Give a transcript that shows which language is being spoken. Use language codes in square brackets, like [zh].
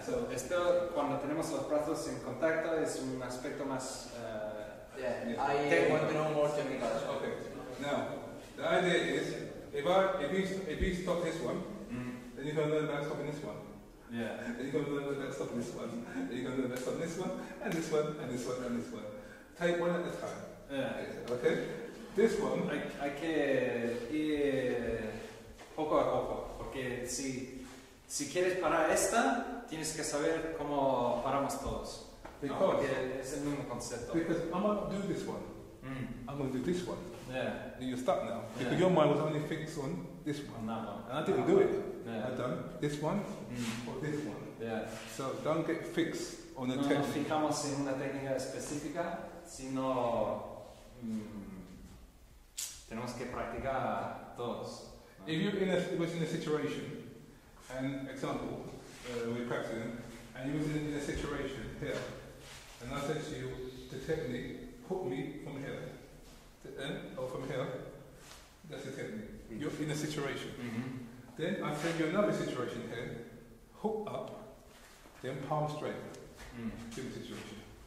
[es] So esto cuando tenemos los brazos en contacto es un aspecto más. [en] Yeah. I want to know more technical. Okay. Now the idea is if you stop this one, then you can learn about stopping this one. Yeah. Then you can learn about stopping this one. Then you can learn about stopping this one and this one and this one and this one. Take one at a time. Yeah. Okay. This one. [es] Hay que ir poco a poco porque si. Si quieres parar esta, tienes que saber cómo paramos todos. [en] Because [es] no, es el mismo concepto. [en] Because I'm going to do this one. Mm. I'm going to do this one. Yeah. And you're stuck now. Yeah. Because your mind was only fixed on this one. On that one. And I didn't do it. Yeah. I done this one or this one. Yeah. So don't get fixed on the no, technique. [es] No fijamos en una técnica específica, sino tenemos que practicar todos. [en] If you're in a situation. An example, we're practicing, and you were in a situation here, and I said to you, the technique, put me from here, that's the technique. Mm-hmm. You're in a situation. Mm-hmm. Then I send you another situation here, hook up, then palm straight, different situation.